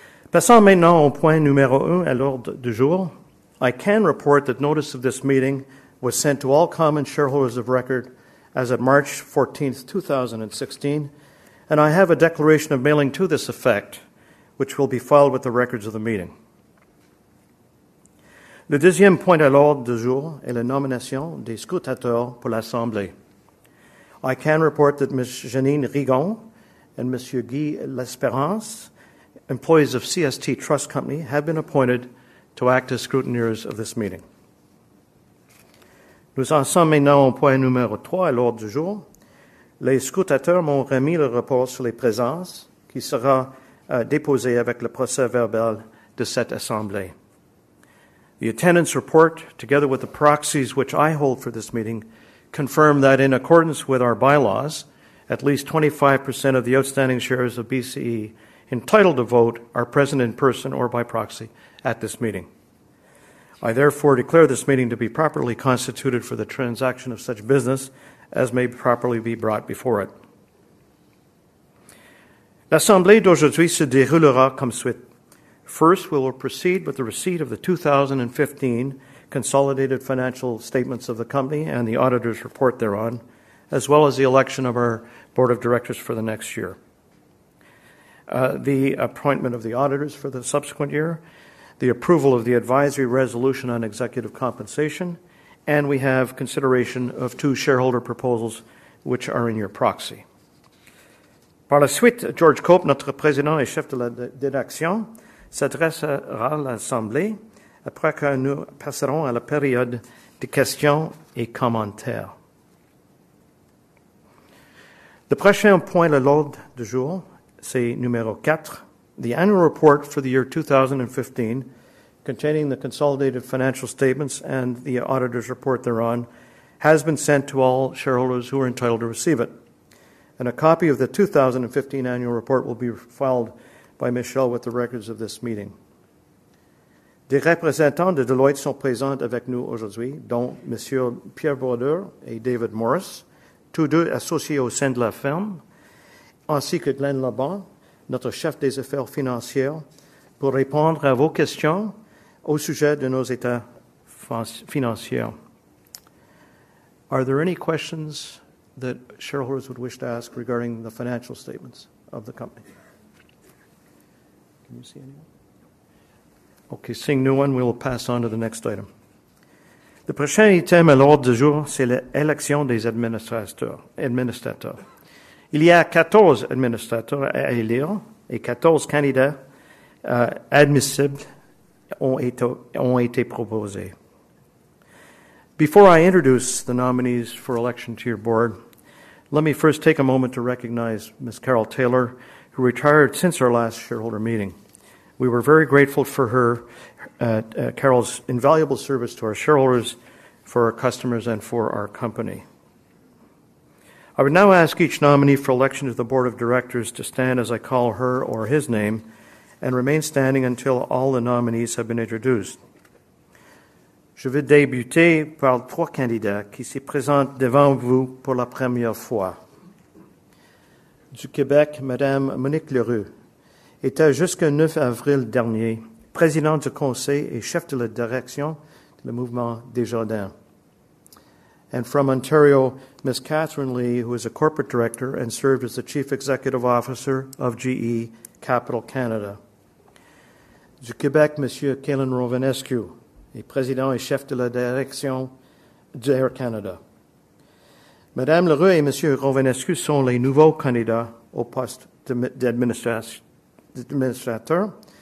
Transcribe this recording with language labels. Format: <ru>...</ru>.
<fr>Passons maintenant au point numéro un à l'ordre du jour.</fr> <en>I can report that notice of this meeting was sent to all common shareholders of record as of March 14, 2016, and I have a declaration of mailing to this effect, which will be filed with the records of the meeting.</en> <fr>Le deuxième point à l'ordre du jour est la nomination des scrutateurs pour l'Assemblée.</fr> <en>I can report that Ms. Janine Rigon and Monsieur Guy L'Espérance, employees of CST Trust Company, have been appointed to act as scrutineers of this meeting.</en> <fr>Nous en sommes maintenant au point numéro 3 à l'ordre du jour. Les scrutateurs m'ont remis le rapport sur les présences qui sera déposé avec le procès-verbal de cette assemblée.</fr> <en>The attendance report, together with the proxies which I hold for this meeting, confirm that in accordance with our bylaws, at least 25% of the outstanding shares of BCE entitled to vote are present in person or by proxy at this meeting. I therefore declare this meeting to be properly constituted for the transaction of such business as may properly be brought before it.</en> <fr>L'Assemblée d'aujourd'hui se déroulera comme suit.</fr> <en>First, we will proceed with the receipt of the 2015 consolidated financial statements of the company and the auditor's report thereon, as well as the election of our board of directors for the next year, the appointment of the auditors for the subsequent year, the approval of the advisory resolution on executive compensation, and we have consideration of two shareholder proposals which are in your proxy.</en> <fr>Par la suite, George Cope, notre président et chef de la direction, s'adressera à l'Assemblée après que nous passerons à la période de questions et commentaires. Le prochain point à l'ordre du jour, c'est numéro 4,</fr> <en>the annual report for the year 2015, containing the consolidated financial statements and the auditor's report thereon, has been sent to all shareholders who are entitled to receive it. And a copy of the 2015 annual report will be filed by Michelle with the records of this meeting.</en> <fr>Des représentants de Deloitte sont présents avec nous aujourd'hui, dont M. Pierre Brodeur et David Morris, tous deux associés au sein de la firme, ainsi que Glenn Laban, notre chef des affaires financières, pour répondre à vos questions au sujet de nos états financiers.</fr> <en>Are there any questions that shareholders would wish to ask regarding the financial statements of the company? Can you see anyone? Okay, seeing no one, we will pass on to the next item.</en> <fr>Le prochain item à l'ordre du jour, c'est l'élection des administrateurs. Il y a 14 administrateurs à élire et 14 candidats admissibles ont été proposés.</fr> <en>Before I introduce the nominees for election to your board, let me first take a moment to recognize Ms. Carol Taylor, who retired since our last shareholder meeting. We were very grateful for her, Carol's invaluable service to our shareholders, for our customers, and for our company. I would now ask each nominee for election to the Board of Directors to stand as I call her or his name and remain standing until all the nominees have been introduced.</en> <fr>Je vais débuter par trois candidats qui se présentent devant vous pour la première fois. Du Québec, Madame Monique Leroux était jusqu'au 9 avril dernier présidente du conseil et chef de la direction du mouvement Desjardins.</fr> <en>And from Ontario, Ms. Catherine Lee, who is a corporate director and served as the chief executive officer of GE Capital Canada.</en> <fr>Du Québec, Monsieur Kaelin Rovinescu, et président et chef de la direction d'Air Canada. Madame Leroux et Monsieur Rovinescu sont les nouveaux candidats au poste d'administrateur.</fr>